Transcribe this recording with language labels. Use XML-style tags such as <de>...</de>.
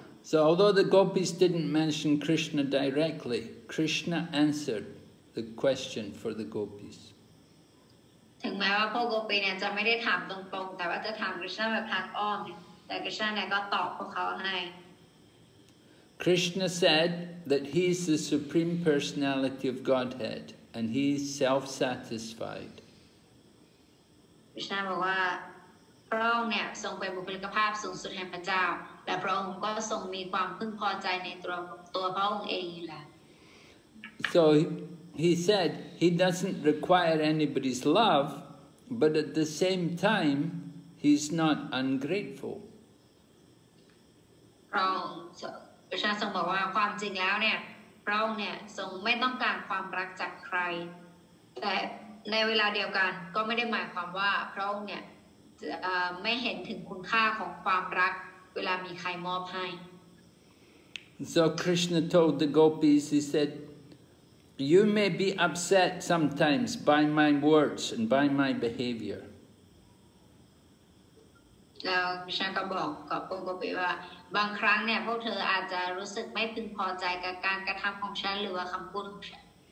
<en>So although the gopis didn't mention Krishna directly, Krishna answered the question for the gopis.</en> <th>ถึงแม้ว่าพวกโกปีเนี่ยจะไม่ได้ถามตรงๆแต่ว่าจะถามกฤษณะแบบทางอ้อมแต่กฤษณะเนี่ยก็ตอบพวกเขาให้</th> <en>Krishna said that he is the supreme personality of Godhead and he is self-satisfied</en> <th>กฤษณะบอกว่าพระองค์เนี่ยทรงเป็นบุคคลิกภาพสูงสุดแห่งพระเจ้าและพระองค์ก็ทรงมีความพึงพอใจในตัวพระองค์เองแหละ</th> <en>SoHe said he doesn't require anybody's love, but at the same time, he's not ungrateful.</en> <th>พระองค์ทรงบอกว่าความจริงแล้วเนี่ยพระองค์เนี่ยทรงไม่ต้องการความรักจากใครแต่ในเวลาเดียวกันก็ไม่ได้หมายความว่าพระองค์เนี่ยไม่เห็นถึงคุณค่าของความรักเวลามีใครมอบให้</th> <en>So Krishna told the gopis, he said,You may be upset sometimes by my words and by my behavior.</en> <th>Now, Krishna ก็บอกกับพวกโกปีว่าบางครั้งเนี่ยพวกเธออาจจะรู้สึกไม่พึงพอใจกับการกระทำของฉันหรือว่าคำพูดของฉัน</th>